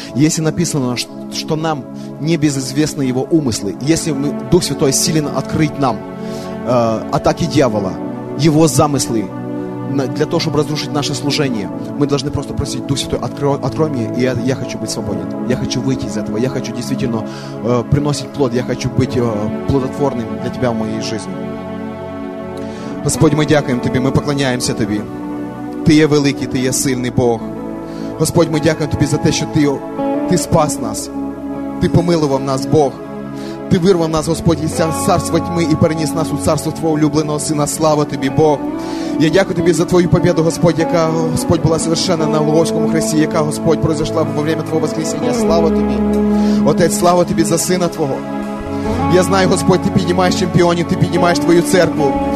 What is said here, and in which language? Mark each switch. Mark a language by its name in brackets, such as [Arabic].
[Russian] Если написано, что нам небезызвестны Его умыслы, если Дух Святой силен открыть нам атаки дьявола, его замыслы для того, чтобы разрушить наше служение, мы должны просто просить: Дух Святой, открой мне, и я хочу быть свободен, я хочу выйти из этого, я хочу действительно приносить плод, я хочу быть плодотворным для Тебя в моей жизни. Господь, мы [Ukrainian] дякуем [Russian] Тебе, мы поклоняемся Тебе. Ты [Ukrainian] є [Russian] великий, Ты є сильный Бог. Господь, мы [Ukrainian] дякуем [Russian] Тебе за то, что Ты спас нас, Ты помиловал нас, Бог. [Ukrainian] Ти вирвав нас, Господь, із царства тьми і переніс нас у царство Твого улюбленого Сина. Слава Тобі, Бог! Я дякую Тобі за Твою [Russian] победу, [Ukrainian] Господь, яка, Господь, була [Russian] совершена [Ukrainian] на Голгофському хресті, яка, Господь, [Russian] произошла во время [Ukrainian] Твого воскресіння. Слава Тобі! Отець, слава Тобі за Сина Твого! Я знаю, Господь, Ти піднімаєш чемпіонів, Ти піднімаєш Твою церкву.